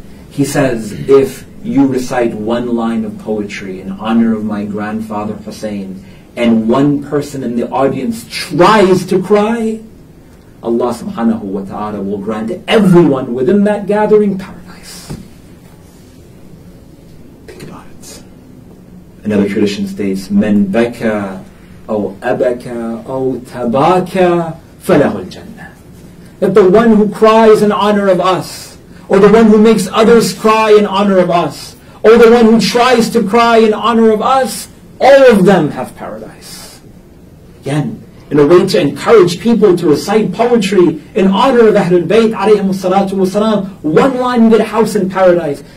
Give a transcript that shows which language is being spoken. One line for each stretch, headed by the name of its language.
English: He says, if you recite one line of poetry in honor of my grandfather Hussein, and one person in the audience tries to cry, Allah
Arabic: subhanahu wa ta'ala
English: will grant everyone within that gathering paradise. Think about it. Another tradition states,
Arabic: من بكى أو أبكى أو تباكى فله الجنة.
English: That the one who cries in honor of us, or the one who makes others cry in honor of us, or the one who tries to cry in honor of us, all of them have paradise. Again, in a way to encourage people to recite poetry in honor of Ahlul Bayt
Arabic: alayhimu salatu wasalam,
English: one line, you get a house in paradise.